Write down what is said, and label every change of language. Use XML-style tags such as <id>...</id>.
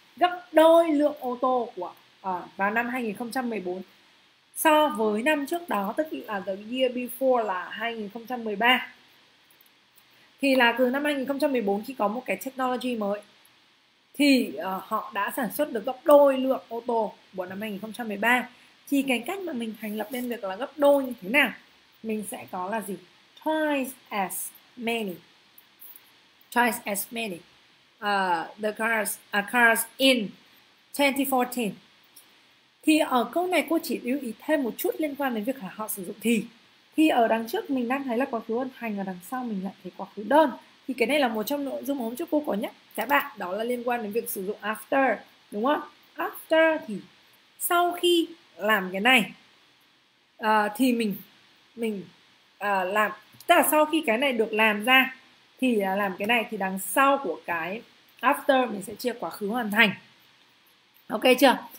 <vi>Gấp đôi lượng ô tô của vào năm 2014 so với năm trước đó, tức là</vi> <en>the year before</en> <vi>là 2013. Thì là từ năm 2014 khi có một cái technology mới, thì họ đã sản xuất được gấp đôi lượng ô tô của năm 2013. Thì cái cách mà mình thành lập nên được là gấp đôi như thế nào? Mình sẽ có là gì?</vi> <en>Twice as many. Twice as many the cars are cars in 2014.</en> <vi>Thì ở câu này cô chỉ lưu ý thêm một chút liên quan đến việc là họ sử dụng thì. Thì ở đằng trước mình đang thấy là quá khứ hoàn thành, ở đằng sau mình lại thấy quá khứ đơn. Thì cái này là một trong nội dung hôm trước cô có nhắc các bạn, đó là liên quan đến việc sử dụng after, đúng không? After thì sau khi làm cái này thì mình làm, tức là sau khi cái này được làm ra thì làm cái này, thì đằng sau của cái after mình sẽ chia quá khứ hoàn thành. Ok chưa?</vi>